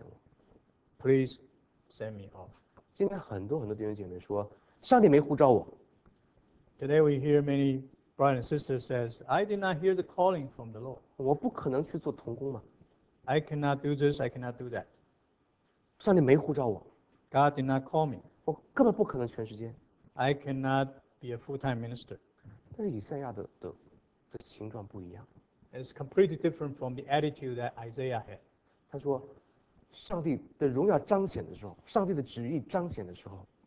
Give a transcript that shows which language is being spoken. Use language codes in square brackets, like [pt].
[zh] 请你来差遣我。 [en] Please send me off. [zh] 今天很多弟兄姐妹说。上帝没呼召我。 [en] Today we hear many brothers and sisters says, I did not hear the calling from the Lord. [zh] 我不可能去做童工嘛。 [en] I cannot do this, I cannot do that. [zh] 上帝没呼召我。 [en] God did not call me. [zh] 我根本不可能全时间。 [en] I cannot be a full-time minister. [zh] 但是以赛亚的形状不一样。 [en] It's completely different from the attitude that Isaiah had. [zh] 他说, 上帝的荣耀彰显的时候, 上帝的旨意彰显的时候,